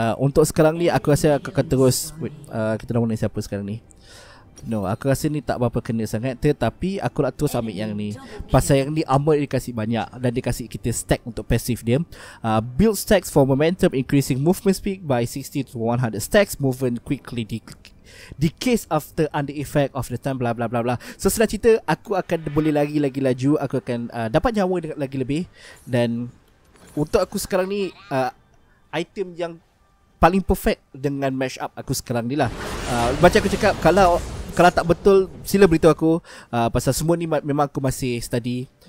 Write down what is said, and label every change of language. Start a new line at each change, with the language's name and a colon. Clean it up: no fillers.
Malay: Untuk sekarang ni aku rasa aku akan terus. Wait, kita nak guna siapa sekarang ni? No, aku rasa ni tak berapa kena sangat. Tetapi aku nak terus ambil yang ni. Pasal yang ni armor dia kasih banyak, dan dia kasih kita stack untuk passive dia.
English: Build stacks for momentum, increasing movement speed by 60 to 100 stacks, movement quickly decays after under effect of the time, blah blah blah blah.
Malay: So setelah cerita, aku akan boleh lari lagi laju. Aku akan dapat nyawa dengan lagi lebih. Dan untuk aku sekarang ni, item yang paling perfect dengan match up aku sekarang ni lah. Macam aku cakap, kalau tak betul sila beritahu aku. Pasal semua ni memang aku masih study.